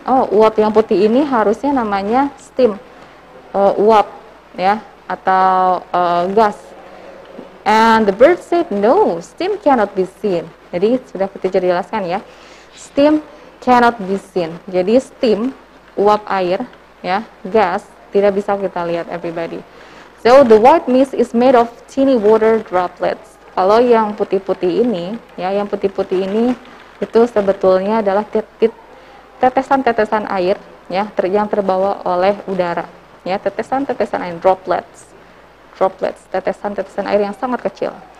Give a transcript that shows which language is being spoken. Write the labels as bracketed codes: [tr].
[id] Oh, uap yang putih ini harusnya namanya steam, uap, ya, atau gas. [en] And the bird said, no, steam cannot be seen. [id] Jadi sudah kita jelaskan, ya, [en] steam cannot be seen. [id] Jadi steam, uap air, ya, gas tidak bisa kita lihat, everybody. [en] So the white mist is made of tiny water droplets. [id] Kalau yang putih-putih ini, ya, yang putih-putih ini itu sebetulnya adalah tetesan-tetesan air, ya, yang terbawa oleh udara, ya, tetesan-tetesan air, droplets, tetesan-tetesan air yang sangat kecil.